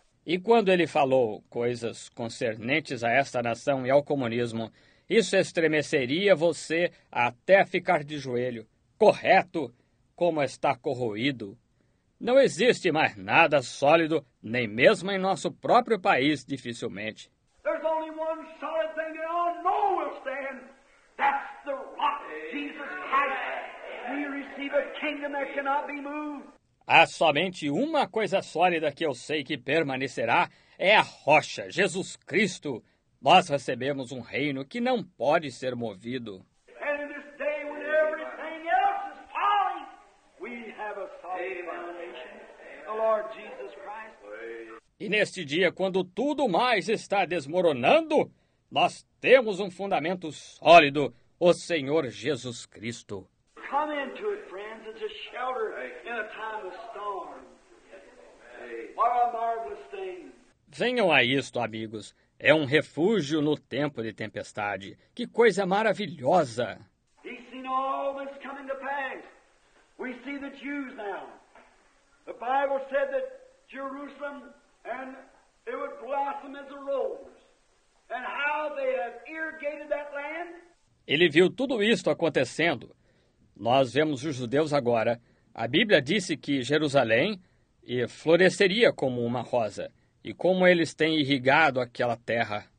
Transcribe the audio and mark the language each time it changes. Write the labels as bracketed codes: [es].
[pt] E quando ele falou coisas concernentes a esta nação e ao comunismo, isso estremeceria você até ficar de joelho, correto, como está corroído. Não existe mais nada sólido, nem mesmo em nosso próprio país, dificilmente. [en] There's only one solid thing that all know will stand. That's the rock, Jesus Christ. We receive a kingdom that cannot be moved. [pt] Há somente uma coisa sólida que eu sei que permanecerá. É a rocha, Jesus Cristo. Nós recebemos um reino que não pode ser movido. [en] And in this day when everything else is falling, we have a solid foundation, the Lord Jesus Christ. [pt] E neste dia, quando tudo mais está desmoronando, nós temos um fundamento sólido, o Senhor Jesus Cristo. [en] Come into it, friends, it's a shelter in a time of storm. What a marvelous thing. [pt] Venham a isto, amigos. É um refúgio no tempo de tempestade. Que coisa maravilhosa. [en] He's seen all this coming to pass. We see the Jews now. The Bible said that Jerusalem and it would blossom as a rose. And how they have irrigated that land? [pt] Ele viu tudo isto acontecendo. Nós vemos os judeus agora. A Bíblia disse que Jerusalém floresceria como uma rosa. E como eles têm irrigado aquela terra.